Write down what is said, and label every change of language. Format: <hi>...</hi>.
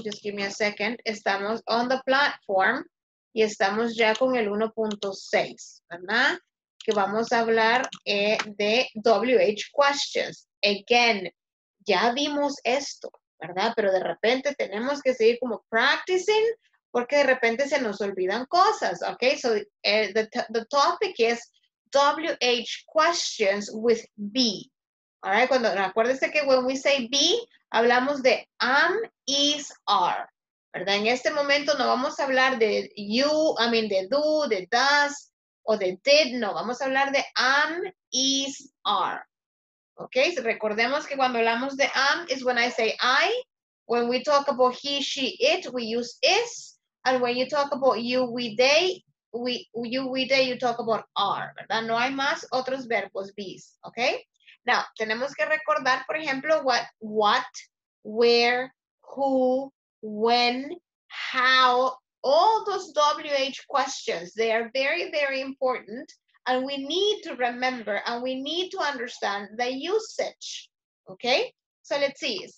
<en>Just give me a second.</en> <es>Estamos</es> <en>on the platform</en> <es>y estamos ya con el 1.6, ¿verdad? Que vamos a hablar de WH questions. Again, ya vimos esto, ¿verdad? Pero de repente tenemos que seguir como practicing, porque de repente se nos olvidan cosas, ¿ok?</es> <en>So, the topic is WH questions with be. All right,</en> <es>cuando, acuérdense que</es> <en>when we say be,</en> <es>hablamos de</es> <en>am, is, are,</en> <es>¿verdad? En este momento no vamos a hablar de</es> <en>you, I mean,</en> <es>de do, de does, o de did, no. Vamos a hablar de am, is, are, ¿ok?</es> <en>So,</en> <es>recordemos que cuando hablamos de</es> <en>am is when I say I. When we talk about he, she, it, we use is. And when you talk about you, we, they, we, you, we, they, you talk about are,</en> <es>¿verdad? No hay más otros verbos,</es> <en>bees, okay? Now,</en> <es>tenemos que recordar, por ejemplo,</es> <en>what, where, who, when, how, all those WH questions, they are very, very important, and we need to remember, and we need to understand the usage, okay? So let's see.</en>